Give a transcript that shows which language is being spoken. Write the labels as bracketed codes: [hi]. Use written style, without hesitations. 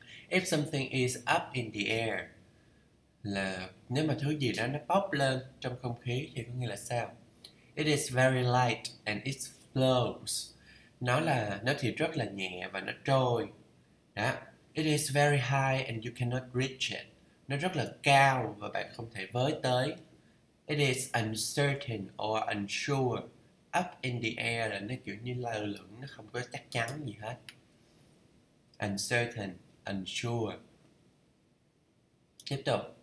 [en] If something is up in the air [vi] là nếu mà thứ gì đó nó bốc lên trong không khí thì có nghĩa là sao? [en] It is very light and it flows. [vi] Nó thì rất là nhẹ và nó trôi. Đó. [en] It is very high and you cannot reach it. [vi] Nó rất là cao và bạn không thể với tới. [en] It is uncertain or unsure. [vi] up in the air, là nó kiểu như lơ lửng, nó không có chắc chắn gì hết. Uncertain, unsure. Tiếp tục.